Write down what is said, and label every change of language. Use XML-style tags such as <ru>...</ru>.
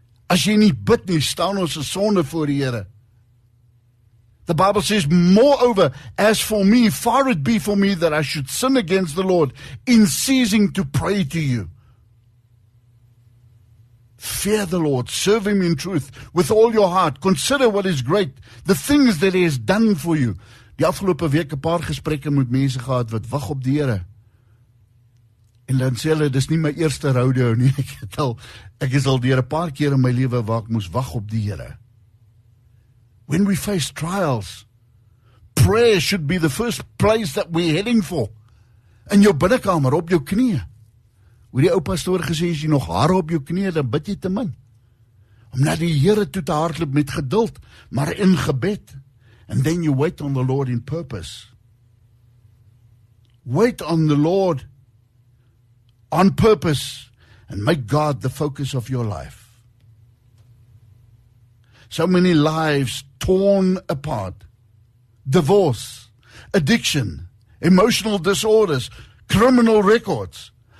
<af>As jy nie bid nie, staan ons 'n sonde voor die Here.</af> <en>The Bible says, moreover, as for me, far it be for me that I should sin against the Lord in ceasing to pray to you. Fear the Lord, serve Him in truth with all your heart. Consider what is great, the things that He has done for you.</en> <af>Die afgelope week 'n paar gesprekke met mense gehad wat wag op die Here. En dan sê hulle, dis nie my eerste rodeo nie. Ek is al deur 'n paar keer in my lewe waar ek moes wag op die Here.</af> <en>When we face trials, prayer should be the first place that we're heading for.</en> <af>In jou binnekamer, op jou knieë. Hoe die ou pastoor gesê, as jy nog hare op jou knieë, dan bid jy te min. Om na die Here toe te hardloop met geduld, maar in gebed.</af> <en>And then you wait on the Lord in purpose. Wait on the Lord on purpose and make God the focus of your life. So many lives torn apart. Divorce, addiction, emotional disorders, criminal records.</en>